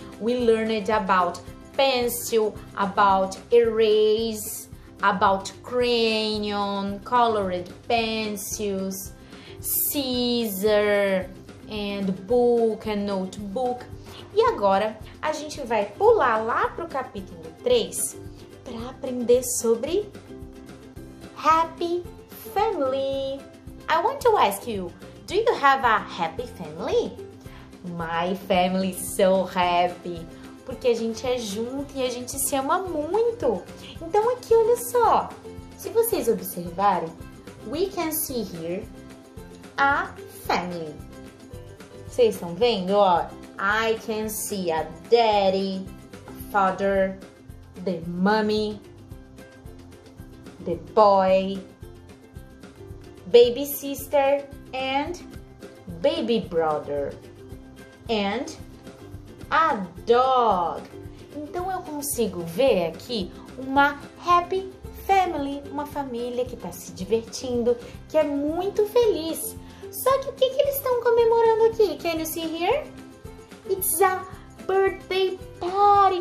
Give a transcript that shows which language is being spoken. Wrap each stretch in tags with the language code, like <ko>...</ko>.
<en>We learned about pencil, about erase, about crayon, colored pencils, scissor, and book and notebook.</en> <pt>E agora, a gente vai pular lá pro capítulo 3 para aprender sobre happy family.</pt> <en>I want to ask you, do you have a happy family? My family is so happy.</en> <pt>Porque a gente é junto e a gente se ama muito. Então aqui, olha só. Se vocês observarem,</pt> <en>we can see here a family.</en> <pt>Vocês estão vendo?</pt> <en>Ó, I can see a daddy, a father, the mommy, the boy, baby sister, and baby brother, and a dog.</en> <pt>Então eu consigo ver aqui uma happy family, uma família que está se divertindo, que é muito feliz. Só que o que, que eles estão comemorando aqui?</pt> <en>Can you see here? It's a birthday party.</en>